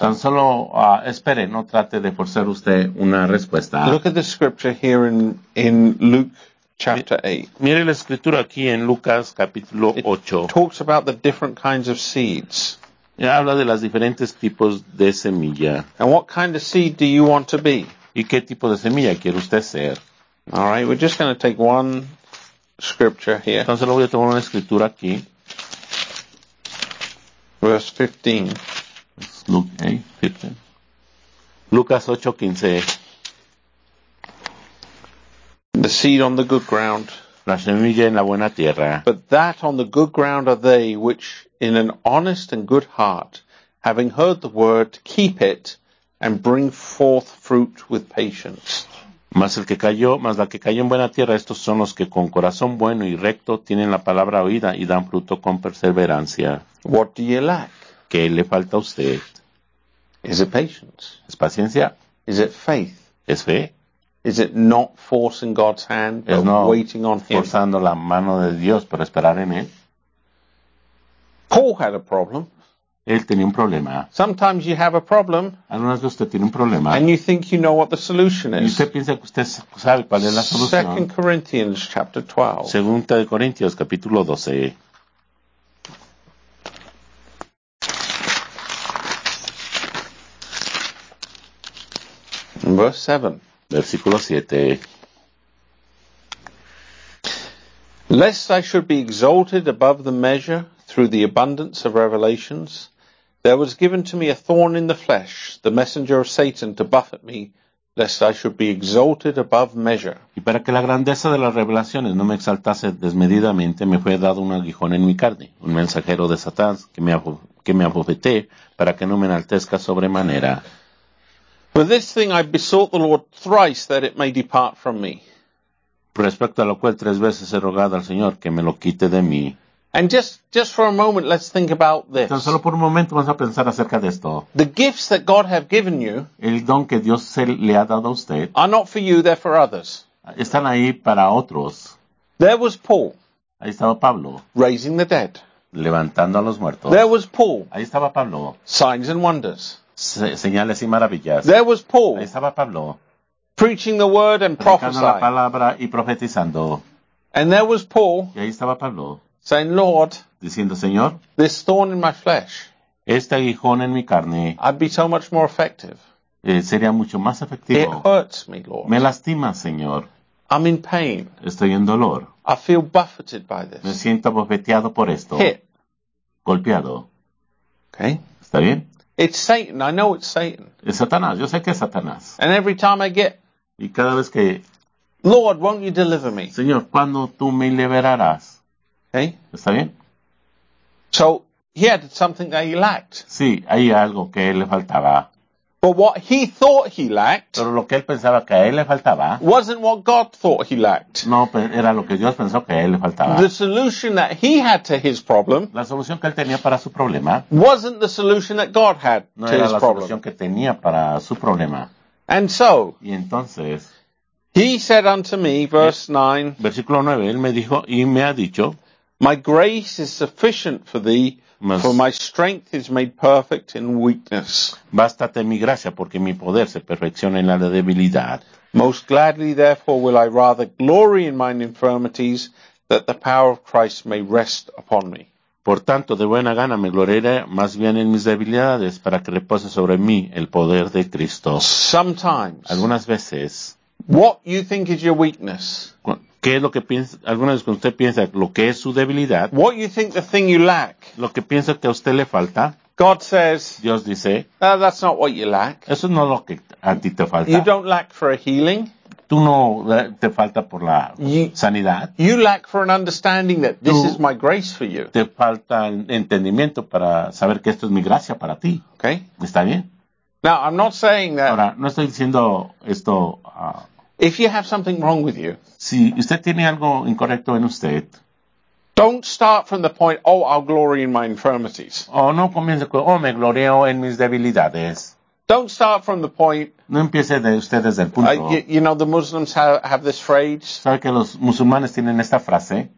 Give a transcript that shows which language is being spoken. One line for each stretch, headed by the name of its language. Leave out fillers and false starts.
Spanish: Tan solo espere. No trate de forzar usted una respuesta.
English: Look at the scripture here in Luke chapter 8.
Spanish: Mire la escritura aquí en Lucas capítulo 8.
English: It talks about the different kinds of seeds.
Spanish: Y habla de los diferentes tipos de semilla.
English: And what kind of seed do you want to be?
Spanish: ¿Y qué tipo de semilla quiere usted ser?
English: All right, we're just going to take one scripture here.
Spanish: Entonces lo voy a tomar una escritura aquí.
English: Verse 15. Luke 8:15. Lucas 8:15. The seed on the good ground.
Spanish: La semilla en la buena tierra.
English: But that on the good ground are they which in an honest and good heart, having heard the word, keep it and bring forth fruit with patience.
Spanish: Mas el que cayó, mas la que cayó en buena tierra, estos son los que con corazón bueno y recto tienen la palabra oída y dan fruto con perseverancia.
English: What do you lack?
Spanish: ¿Qué le falta a usted?
English: Is it patience?
Spanish: ¿Es paciencia?
English: Is it faith?
Spanish: ¿Es fe?
English: Is it not forcing God's hand, but
Spanish: no
English: waiting on him?
Spanish: Forzando la mano de Dios, pero esperar en él.
English: Paul had a problem.
Spanish: Él tenía un problema.
English: Sometimes you have a problem.
Spanish: Algunas veces usted tiene un problema.
English: And you think you know what the solution is.
Spanish: Y usted piensa que usted sabe cuál es la solución.
English: 2 Corinthians chapter 12.
Spanish: Segunda de Corintios capítulo 12.
English: Verse 7.
Spanish: Versículo 7.
English: Lest I should be exalted above the measure through the abundance of revelations, there was given to me a thorn in the flesh, the messenger of Satan, to buffet me, lest I should be exalted above measure.
Spanish: Y para que la grandeza de las revelaciones no me exaltase desmedidamente, me fue dado un aguijón en mi carne, un mensajero de Satán, que me abofeté para que no me enaltezca sobremanera.
English: For this thing I besought the Lord thrice that it may depart from me.
Spanish: Respecto a lo cual tres veces he rogado al Señor que me lo quite de mí.
English: And just for a moment, let's think about this.
Spanish: Tan solo por un momento vamos a pensar acerca de esto.
English: The gifts that God have given you,
Spanish: el don que Dios se le ha dado a usted,
English: are not for you, they're for others.
Spanish: Están ahí para otros.
English: There was Paul.
Spanish: Ahí estaba Pablo.
English: Raising the dead.
Spanish: Levantando a los muertos.
English: There was Paul.
Spanish: Ahí estaba Pablo.
English: Signs and wonders.
Spanish: Señales y maravillas.
English: There was Paul.
Spanish: Ahí estaba Pablo.
English: Preaching the word and prophesying.
Spanish: Predicando la palabra y profetizando.
English: And there was Paul.
Spanish: Y ahí estaba Pablo.
English: Saying, Lord,
Spanish: diciendo, Señor,
English: this thorn in my flesh,
Spanish: este aguijón en mi carne,
English: I'd be so much more effective.
Spanish: Sería mucho más efectivo.
English: It hurts me, Lord.
Spanish: Me lastima, Señor.
English: I'm in pain.
Spanish: Estoy en dolor.
English: I feel buffeted by this.
Spanish: Me siento bofeteado por esto.
English: Hit.
Spanish: Golpeado.
English: Okay.
Spanish: ¿Está bien?
English: It's Satan. I know it's Satan.
Spanish: Es Satanás. Yo sé que es Satanás.
English: And every time I get,
Spanish: y cada vez que,
English: Lord, won't you deliver me?
Spanish: Señor, ¿cuándo tú me liberarás?
English: Okay.
Spanish: ¿Está bien?
English: So he had something that he lacked.
Spanish: Sí, hay algo que él le faltaba.
English: But what he thought he lacked,
Spanish: pero lo que él pensaba que a él le faltaba,
English: wasn't what God thought he lacked.
Spanish: No, era lo que Dios pensó que a él le faltaba.
English: The solution that he had to his problem,
Spanish: la solución que él tenía para su problema,
English: wasn't the solution that God had
Spanish: no
English: to his
Spanish: No era la solución que tenía para su problema.
English: And so,
Spanish: y entonces,
English: he said unto me, verse 9,
Spanish: versículo 9, él me dijo y me ha dicho,
English: my grace is sufficient for thee, for my strength is made perfect in weakness.
Spanish: Bástate mi gracia, porque mi poder se perfecciona en la debilidad.
English: Most gladly, therefore, will I rather glory in mine infirmities, that the power of Christ may rest upon me.
Spanish: Por tanto, de buena gana me gloriaré más bien en mis debilidades, para que repose sobre mí el poder de Cristo.
English: Sometimes.
Spanish: Algunas veces.
English: What you think is your weakness.
Spanish: ¿Qué es lo que piensa, alguna vez cuando usted piensa lo que es su debilidad?
English: What you think the thing you lack,
Spanish: lo que piensa que a usted le falta.
English: God says,
Spanish: Dios dice,
English: no, that's not what you lack.
Spanish: Eso no es lo que a ti te falta.
English: You don't lack for a healing.
Spanish: Tú no te falta por la sanidad.
English: You lack for an understanding that this is my grace for you.
Spanish: Te falta entendimiento para saber que esto es mi gracia para ti.
English: Okay.
Spanish: ¿Está bien?
English: Now, I'm not saying that.
Spanish: Ahora, no estoy diciendo esto.
English: If you have something wrong with you,
Spanish: si usted tiene algo incorrecto en usted,
English: don't start from the point, oh, I'll glory in my infirmities.
Spanish: Oh, no comience con, oh, me glorio en mis debilidades.
English: Don't start from the point.
Spanish: No empiece de usted desde el punto.
English: You know, the Muslims have this phrase.
Spanish: ¿Sabe que los musulmanes tienen esta frase?